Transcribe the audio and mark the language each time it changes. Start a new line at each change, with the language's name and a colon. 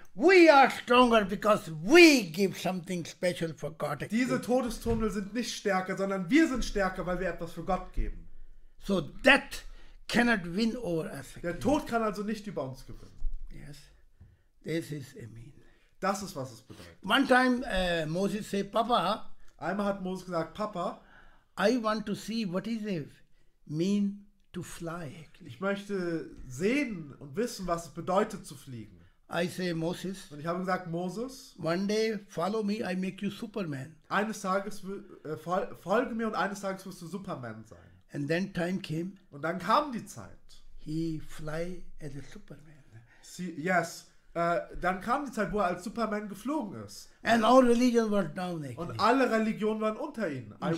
English: We are stronger because we give something special for God.
German: Diese Todestunnel sind nicht stärker, sondern wir sind stärker, weil wir etwas für Gott geben.
English: So death cannot win over us.
German: Der Tod kann also nicht über uns gewinnen.
English: Yes. This is a mean.
German: Das ist, was es bedeutet.
English: One time Moses said, Papa.
German: Einmal hat Moses gesagt, Papa.
English: I want to see what is it mean to fly.
German: Ich möchte sehen und wissen, was es bedeutet zu fliegen.
English: I say, Moses.
German: Und ich habe gesagt, Moses.
English: One day follow me, I make you Superman.
German: Eines Tages folge mir und eines Tages wirst du Superman sein.
English: And then time came.
German: Und dann kam die Zeit.
English: He fly as a Superman. See, yes.
German: Dann kam die Zeit, wo er als Superman geflogen ist.
English: And all religion were down,
German: und alle Religionen waren unter ihnen.